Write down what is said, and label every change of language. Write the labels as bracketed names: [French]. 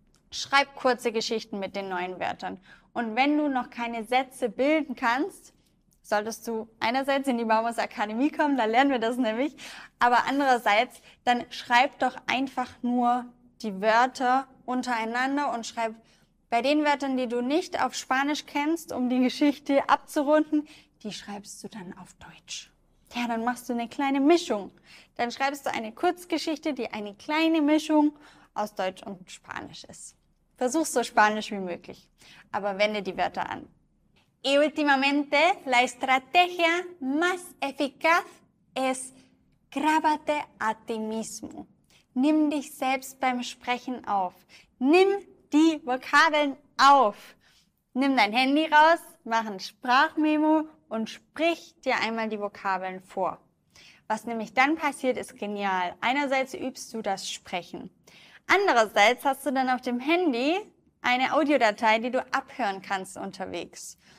[German] Schreib kurze Geschichten mit den neuen Wörtern. Und wenn du noch keine Sätze bilden kannst, solltest du einerseits in die Vamos Akademie kommen, da lernen wir das nämlich, aber andererseits, dann schreib doch einfach nur die Wörter untereinander und schreib bei den Wörtern, die du nicht auf Spanisch kennst, um die Geschichte abzurunden, die schreibst du dann auf Deutsch. Ja, dann machst du eine kleine Mischung. Dann schreibst du eine Kurzgeschichte, die eine kleine Mischung aus Deutsch und Spanisch ist. Versuch so Spanisch wie möglich, aber wende die Wörter an. [Spanish] Y últimamente, la estrategia más eficaz es grábate a ti mismo. [German] Nimm dich selbst beim Sprechen auf. Nimm die Vokabeln auf. Nimm dein Handy raus, mach ein Sprachmemo und sprich dir einmal die Vokabeln vor. Was nämlich dann passiert, ist genial. Einerseits übst du das Sprechen. Andererseits hast du dann auf dem Handy eine Audiodatei, die du abhören kannst unterwegs.